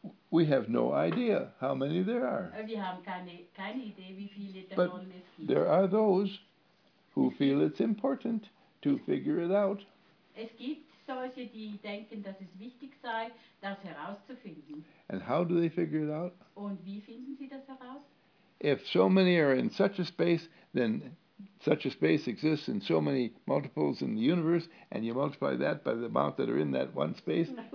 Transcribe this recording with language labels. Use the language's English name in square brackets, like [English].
[English] We have no idea how many there are. [German] Wir haben keine Idee, wie viele davon [English] but [German] es gibt. [English] There are those who feel it's important to figure it out. [German] Es gibt solche, die denken, dass es wichtig sei, das herauszufinden. [English] And how do they figure it out? [German] Und wie finden sie das heraus? [English] If so many are in such a space, then such a space exists in so many multiples in the universe, and you multiply that by the amount that are in that one space.